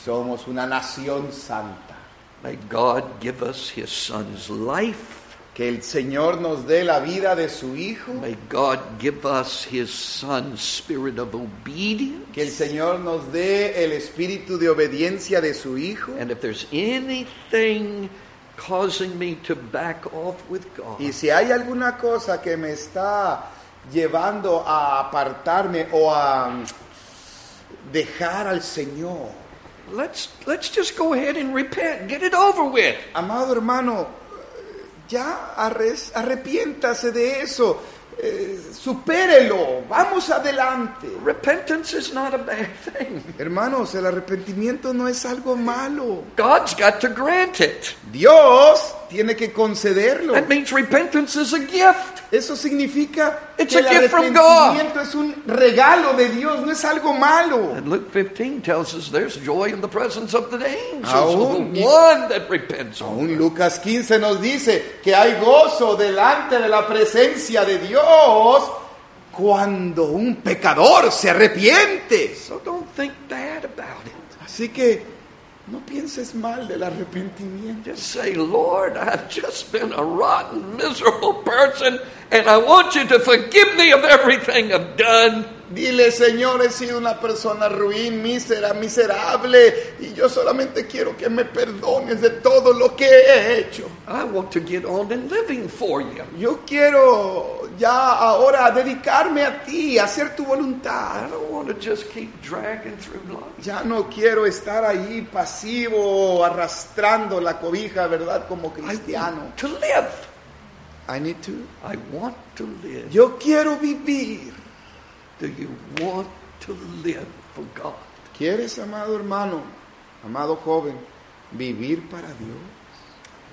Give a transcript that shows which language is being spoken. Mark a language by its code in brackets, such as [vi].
[es] Somos una nación santa. [en] May God give us his son's life. [es] Que el Señor nos dé la vida de su hijo. [en] May God give us his son's spirit of obedience. [es] Que el Señor nos dé el espíritu de obediencia de su hijo. [en] And if there's anything causing me to back off with God. [es] Y si hay alguna cosa que me está llevando a apartarme o a dejar al Señor. [en] Let's just go ahead and repent. Get it over with. [es] Amado hermano, ya arrepiéntase de eso. Supérelo. Vamos adelante. [en] Repentance is not a bad thing. [es] Hermanos, el arrepentimiento no es algo malo. [en] God's got to grant it. [es] Dios tiene que concederlo. [en] That means repentance is a gift. [es] Eso significa [en] it's [es] que [en] a [es] el [en] gift [es] arrepentimiento [en] from God. [es] Es un regalo de Dios, no es algo malo. [en] And Luke 15 tells us there's joy in the presence of the angels. Aún, of the one that repents. [es] Aún Lucas 15 nos dice que hay gozo delante de la presencia de Dios cuando un pecador se arrepiente. [en] So don't think bad about it. [es] Así que no pienses mal del arrepentimiento. [en] Just say, Lord, I've just been a rotten, miserable person, and I want you to forgive me of everything I've done. [es] Dile, Señor, he sido una persona ruin, mísera, miserable, y yo solamente quiero que me perdones de todo lo que he hecho. [en] I want to get on in living for you. [es] Yo quiero ya ahora dedicarme a ti, a hacer tu voluntad. [en] I don't want to just keep dragging through life. [es] Ya no quiero estar ahí pasivo, arrastrando la cobija, ¿verdad? Como cristiano. [en] I want to live. I need to. I want to live. [es] Yo quiero vivir. [en] Do you want to live for God? [es] ¿Quieres, amado hermano, amado joven, vivir para Dios?